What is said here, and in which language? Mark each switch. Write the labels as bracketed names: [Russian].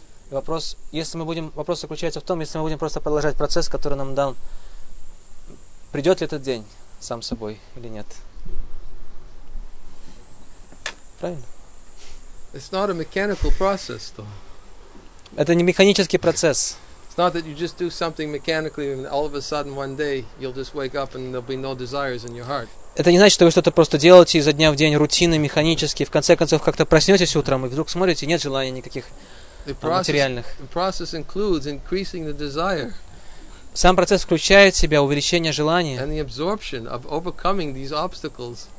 [Russian] И вопрос, если мы будем, вопрос заключается в том, если мы будем просто продолжать процесс, который нам дан, придет ли этот день сам собой или нет? Правильно? [English] It's not a mechanical process, though. [Russian] Это не механический процесс. [English] Not that you just do something mechanically and all of a sudden one day you'll just wake up and there'll be no desires in your heart. [Russian] Это не значит, что вы что-то просто делаете изо дня в день рутинно, механически, в конце концов как-то проснётесь утром и вдруг смотрите, нет желания никаких материальных. [English] The process includes increasing the desire. [Russian] Сам процесс включает в себя увеличение желания. [English] And the absorption of overcoming these obstacles.